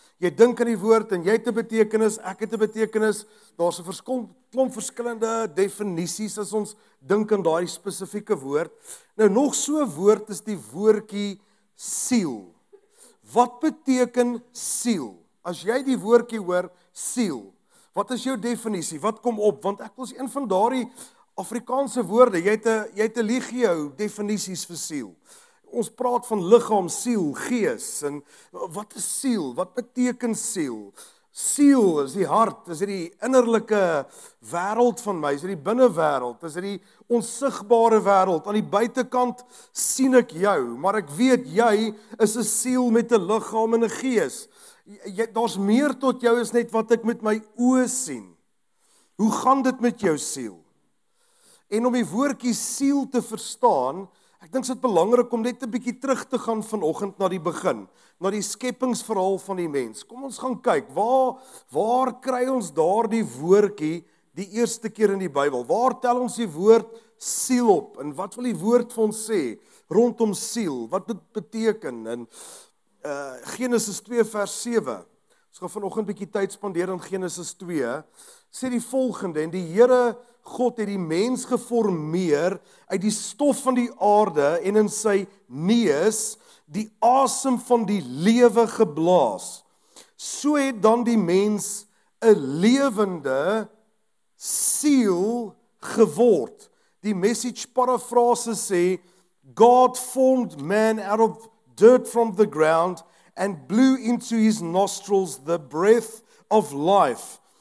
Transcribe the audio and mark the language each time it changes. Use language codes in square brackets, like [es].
[af] Jy dink aan die woord en jy het 'n betekenis, ek het 'n betekenis, daar is 'n klomp verskillende definisies as ons dink aan daai spesifieke woord. Nou, nog so woord is die woordjie siel. Wat beteken siel? As jy die woordjie hoor, siel, wat is jou definisie? Wat kom op? Want ek was een van daardie Afrikaanse woorde. Jy het 'n legio definisies vir siel. Ons praat van liggaam, siel, gees. En wat is siel? Wat beteken siel? Siel is die hart, is die innerlike wêreld van my, is die binnewêreld, is die onsigbare wêreld. Aan die buitekant sien ek jou, maar ek weet jy is 'n siel met 'n liggaam en 'n gees. Daar's meer tot jou as net wat ek met my oë sien. Hoe gaan dit met jou siel? En om die woordjie siel te verstaan, ek dink dit is belangrik om net 'n bietjie terug te gaan vanoggend na die begin, na die skepingsverhaal van die mens. Kom ons gaan kyk, waar kry ons daardie woordjie die eerste keer in die Bybel? Waar tel ons die woord siel op? En wat wil die woord vir ons sê rondom siel? Wat dit beteken? En Genesis 2 vers 7. Ons gaan vanoggend bietjie tyd spandeer aan Genesis 2. Sê die volgende, en die Here God het die mens geformeer uit die stof van die aarde en in sy neus die asem van die lewe geblaas. So het dan die mens 'n lewende siel geword. Die Message parafrase sê, [en] God formed man out of dirt from the ground and blew into his nostrils the breath of life.